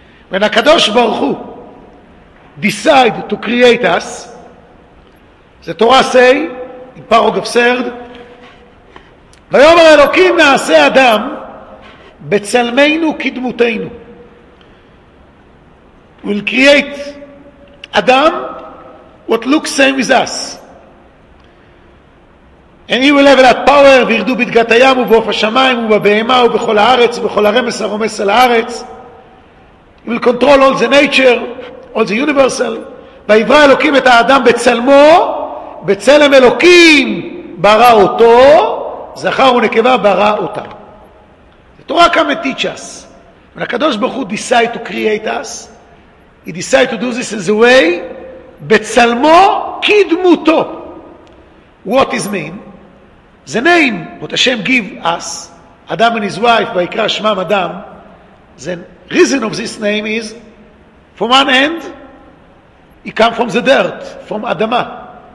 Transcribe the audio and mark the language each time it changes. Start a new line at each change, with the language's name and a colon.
English: When HaKadosh Baruch Hu decide to create us, the Torah say, in paragraph 3rd,
Hebrew: V'yomer Elokim na'aseh Adam b'tzalmeinu k'dmuteinu.
English: We'll create Adam what looks same with us. And he will have that power,
Hebrew: וירדו בדגת הים ובעוף השמיים ובבהמה ובכל הארץ ובכל הרמס הרומס על הארץ.
English: He will control all the nature, all the universal.
Hebrew: ויברא אלוקים את האדם בצלמו, בצלם אלוקים ברא אותו, זכר ונקבה ברא אותם.
English: The Torah come and teach us. When הקדוש ברוך הוא decide to create us, he decide to do this in the way
Hebrew: בצלמו כדמותו.
English: What is mean? The name what Hashem give us, Adam and his wife,
Hebrew: ויקרא שמם אדם,
English: the reason of this name is, from one end, he come from the dirt, from Adama.